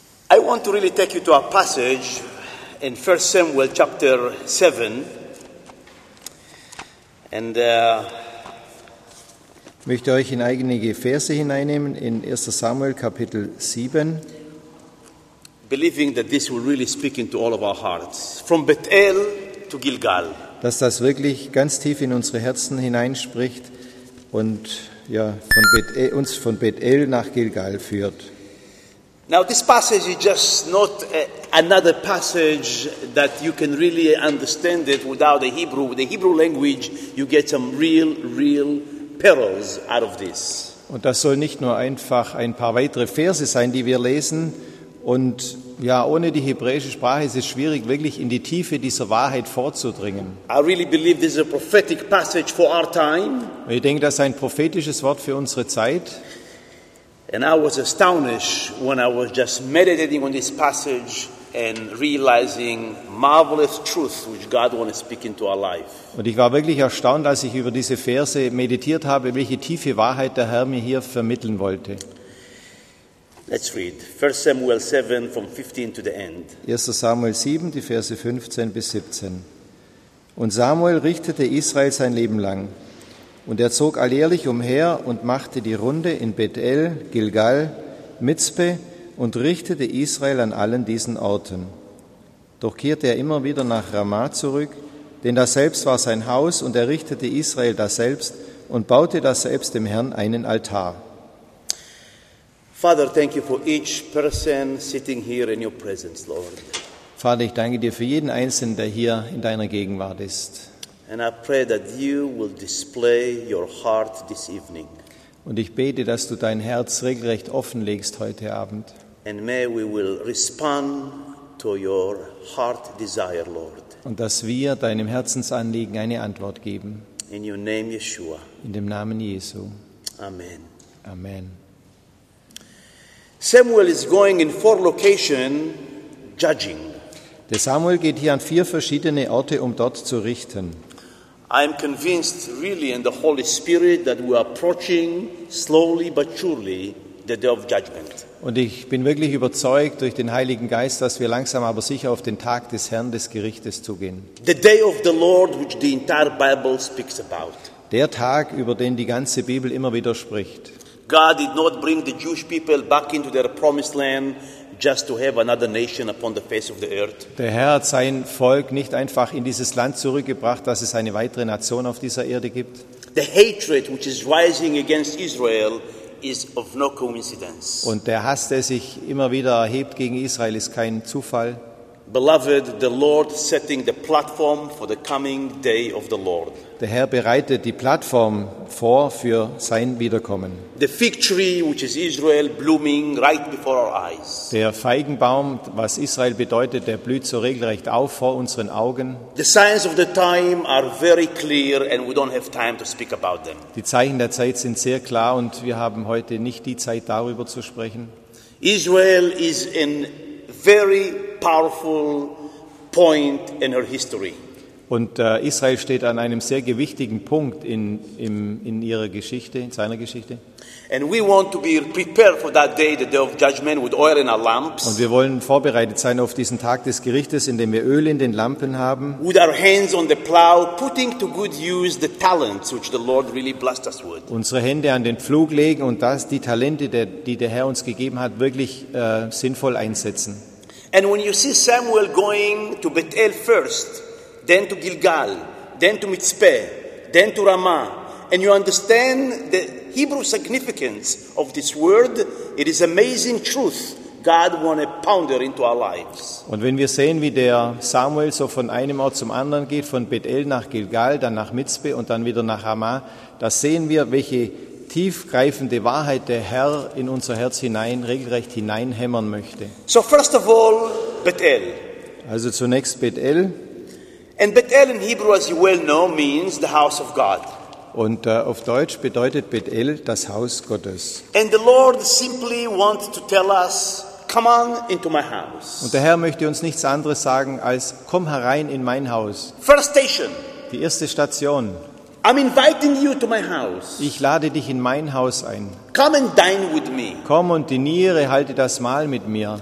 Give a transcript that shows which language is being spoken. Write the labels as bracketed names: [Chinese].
[English] I want to really take you to a passage in 1 Samuel chapter 7. And [German] ich möchte euch in einige Verse hineinnehmen, in 1 Samuel Kapitel 7. [English] Believing that this will really speak into all of our hearts. From Bethel to Gilgal. [German] Dass das wirklich ganz tief in unsere Herzen hineinspricht und ja, uns von Bethel nach Gilgal führt. [English] Now this passage is just not another passage that you can really understand it without the Hebrew. With the Hebrew language, you get some real, real perils out of this. [German] Und das soll nicht nur einfach ein paar weitere Verse sein, die wir lesen. Und ja, ohne die hebräische Sprache ist es schwierig, wirklich in die Tiefe dieser Wahrheit vorzudringen. [English] I really believe this is a prophetic passage for our time. [German] Ich denke, das ist ein prophetisches Wort für unsere Zeit. [English] And I was astonished when I was just meditating on this passage and realizing marvelous truth which God wants to speak into our life. [German] Und ich war wirklich erstaunt, als ich über diese Verse meditiert habe, welche tiefe Wahrheit der Herr mir hier vermitteln wollte. [English] Let's read 1 Samuel 7 from 15 to the end. [German] 1. Samuel 7, die Verse 15 bis 17. Und Samuel richtete Israel sein Leben lang. Und er zog alljährlich umher und machte die Runde in Bethel, Gilgal, Mizpe und richtete Israel an allen diesen Orten. Doch kehrte er immer wieder nach Ramah zurück, denn daselbst war sein Haus und er richtete Israel daselbst und baute daselbst dem Herrn einen Altar. [English] Father, thank you for each person sitting here in your presence, Lord. [German] Vater, ich danke dir für jeden Einzelnen, der hier in deiner Gegenwart ist. [English] And I pray that you will display your heart this evening. [German] Und ich bete, dass du dein Herz regelrecht offenlegst heute Abend. [English] And may we will respond to your heart desire, Lord. [German] Und dass wir deinem Herzensanliegen eine Antwort geben. [English] In your name, Yeshua. [German] In dem Namen Jesu. Amen. Amen. [English] Samuel is going in four locations judging. [German] Der Samuel geht hier an vier verschiedene Orte, um dort zu richten. [English] I'm convinced really in the Holy Spirit that we are approaching slowly but surely the day of judgment. [German] Und ich bin wirklich überzeugt durch den Heiligen Geist, dass wir langsam aber sicher auf den Tag des Herrn des Gerichtes zugehen. [English] The day of the Lord which the entire Bible speaks about. [German] Der Tag, über den die ganze Bibel immer wieder spricht. [English] God did not bring the Jewish people back into their promised land just to have another nation upon the face of the earth. [German] Der Herr hat sein Volk nicht einfach in dieses Land zurückgebracht, dass es eine weitere Nation auf dieser Erde gibt. [English] The hatred which is rising against Israel is of no coincidence. [German] Und der Hass, der sich immer wieder erhebt gegen Israel, ist kein Zufall. [English] Beloved, the Lord setting the platform for the coming day of the Lord. [German] Der Herr bereitet die Plattform vor für sein Wiederkommen. [English] The fig tree which is Israel blooming right before our eyes. [German] Der Feigenbaum, was Israel bedeutet, der blüht so regelrecht auf vor unseren Augen. [English] The signs of the time are very clear and we don't have time to speak about them. [German] Die Zeichen der Zeit sind sehr klar und wir haben heute nicht die Zeit darüber zu sprechen. [English] Israel is in very powerful point in her history. [German] Und Israel steht an einem sehr gewichtigen Punkt in ihrer Geschichte, in seiner Geschichte. [English] And we want to be prepared for that day, the day of judgment, with oil in our lamps. [German] Und wir wollen vorbereitet sein auf diesen Tag des Gerichtes, indem wir Öl in den Lampen haben. [English] With our hands on the plow, putting to good use the talents which the Lord really blessed us with. [German] Unsere Hände an den Pflug legen und das die Talente, die der Herr uns gegeben hat, wirklich sinnvoll einsetzen. [English] And when you see Samuel going to Bethel first, then to Gilgal, then to Mitzpeh, then to Ramah, and you understand the Hebrew significance of this word, it is amazing truth God wants to pounder into our lives. [German] Und wenn wir sehen, wie der Samuel so von einem Ort zum anderen geht, von Bethel nach Gilgal, dann nach Mitzpe und dann wieder nach Ramah, da sehen wir, welche tiefgreifende Wahrheit der Herr in unser Herz hinein, regelrecht hineinhämmern möchte. [English] So first of all, Bethel. [German] Also zunächst Bethel. [English] And Bethel in Hebrew, as you well know, means the house of God. [German] Und auf Deutsch bedeutet Bethel das Haus Gottes. [English] And the Lord simply wants to tell us, come on into my house. [German] Und der Herr möchte uns nichts anderes sagen als, komm herein in mein Haus. [English] First station. [German] Die erste Station. [English] I'm inviting you to my house. [German] Ich lade dich in mein Haus ein. [English] Come and dine with me. [German] Komm und diniere, halte das Mahl mit mir.